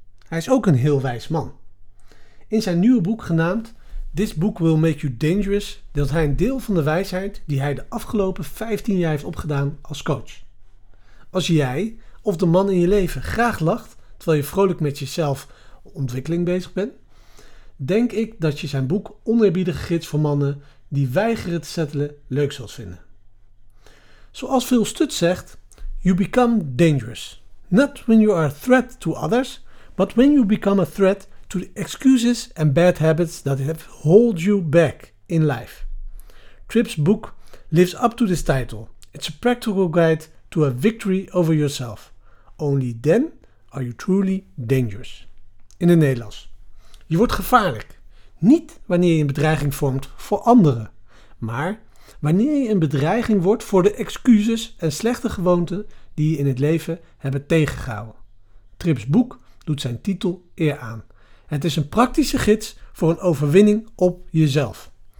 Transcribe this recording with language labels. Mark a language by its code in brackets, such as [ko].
[nl] Hij is ook een heel wijs man. In zijn nieuwe boek genaamd This Book Will Make You Dangerous deelt hij een deel van de wijsheid die hij de afgelopen 15 jaar heeft opgedaan als coach. Als jij of de man in je leven graag lacht terwijl je vrolijk met jezelf ontwikkeling bezig bent, denk ik dat je zijn boek Oneerbiedige Gids voor Mannen die weigeren te settelen leuk zult vinden. Zoals Phil Stutt zegt, [en] you become dangerous. Not when you are a threat to others, but when you become a threat to the excuses and bad habits that have held you back in life. Tripp's book lives up to this title. It's a practical guide to a victory over yourself. Only then are you truly dangerous. [nl] In het Nederlands. Je wordt gevaarlijk. Niet wanneer je een bedreiging vormt voor anderen, maar wanneer je een bedreiging wordt voor de excuses en slechte gewoonten die je in het leven hebben tegengehouden. Trip's boek doet zijn titel eer aan. Het is een praktische gids voor een overwinning op jezelf.